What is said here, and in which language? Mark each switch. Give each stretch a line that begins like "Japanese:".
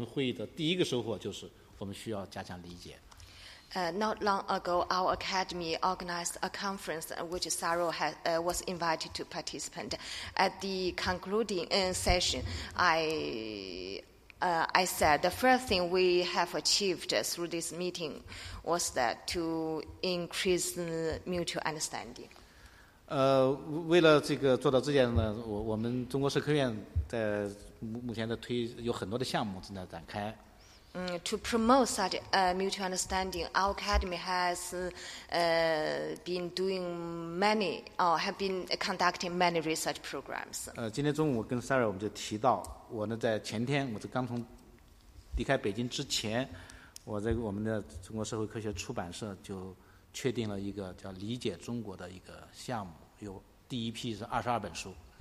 Chinese: 那么这个前不久我们在北京开一个关于智库的会，Sarah也去参加了。我做总结的时候，我就说到第一件事情，我们这个我们会议的第一个收获就是我们需要加强理解。
English: Not long ago, our academy organized a conference in which Sarah was invited to participate. At the concluding session, I said the first thing we have achieved through this meeting was that to increase mutual understanding.
Chinese: 为了这个做到这件呢，我们中国社科院在目前的推有很多的项目正在展开。
English: To promote such mutual understanding, our academy has been doing many, or have been conducting many research programs.
Chinese: 今天中午跟 Sarah 我们就提到，我在前天，我在刚从离开北京之前，我在我们的中国社会科学出版社就确定了一个叫理解中国的一个项目，有第一批是22本书。